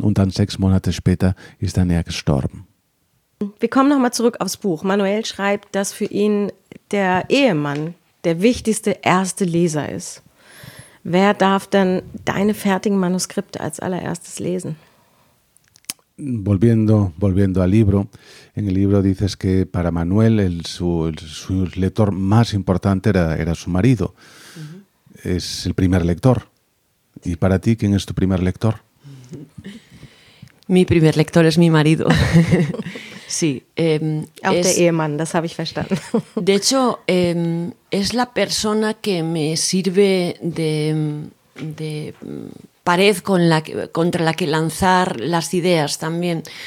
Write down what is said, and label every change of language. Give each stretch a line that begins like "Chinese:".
German: Und dann 6 Monate später ist dann er gestorben. Wir kommen nochmal zurück aufs Buch. Manuel schreibt, dass für ihn der Ehemann der wichtigste erste Leser ist. Wer darf denn deine fertigen Manuskripte als allererstes lesen?
Spanish: Volviendo al libro, en el libro dices que para Manuel su lector más importante era su marido. Uh-huh. Es el primer lector. ¿Y para ti quién es tu primer lector? Mi primer lector es mi marido. Sí.
German: Auch der Ehemann, das habe ich verstanden.
Spanish: De hecho, es la persona que me sirve de pared contra la que lanzar las ideas también.